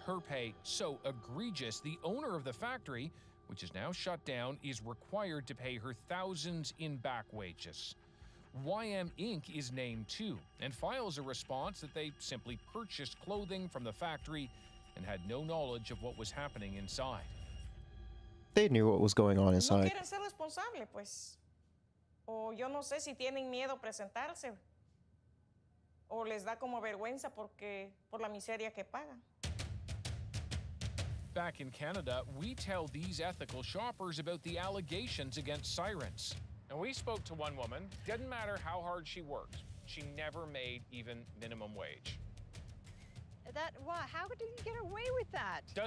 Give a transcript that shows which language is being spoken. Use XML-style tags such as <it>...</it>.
<en>Her pay so egregious, the owner of the factory, which is now shut down, is required to pay her thousands in back wages. YM Inc. is named too, and files a response that they simply purchased clothing from the factory and had no knowledge of what was happening inside. They knew what was going on inside.</en> <es>No quieren ser responsable, pues. O yo no sé si tienen miedo presentarse. O les da como vergüenza porque por la miseria que pagan.</es> <en>Back in Canada, we tell these ethical shoppers about the allegations against Sirens. And we spoke to one woman. Didn't matter how hard she worked, she never made even minimum wage. That, what? How did you get away with that?</en>